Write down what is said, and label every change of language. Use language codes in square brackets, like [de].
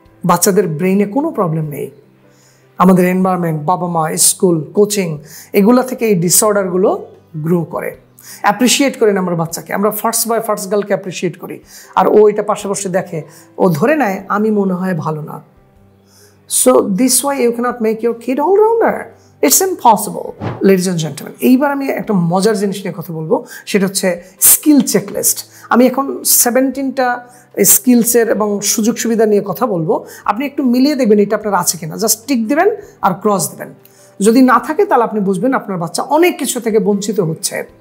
[bn] বাচ্চাদের ব্রেইনে কোনো প্রবলেম নেই, আমাদের এনভায়রনমেন্ট, বাবা মা, স্কুল, কোচিং, এগুলো থেকে এই ডিসঅর্ডারগুলো গ্রো করে। অ্যাপ্রিসিয়েট করেন আমার বাচ্চাকে, আমরা ফার্স্ট বয় ফার্স্ট গার্লকে অ্যাপ্রিসিয়েট করি, আর ও এটা পাশাপাশি দেখে, ও ধরে নেয় আমি মনে হয় ভালো না। [en] So this why you cannot make your kid all-rounder. It's impossible, ladies and gentlemen. [bn] এইবার আমি একটা মজার জিনিস নিয়ে কথা বলবো, সেটা হচ্ছে স্কিল চেকলিস্ট। আমি এখন 17টা স্কিলসের এবং সুযোগ সুবিধা নিয়ে কথা বলবো, আপনি একটু মিলিয়ে দেখবেন এটা আপনার আছে কিনা, জাস্ট টিক দেবেন আর ক্রস দেবেন। যদি না থাকে তাহলে আপনি বুঝবেন আপনার বাচ্চা অনেক কিছু থেকে বঞ্চিত হচ্ছে।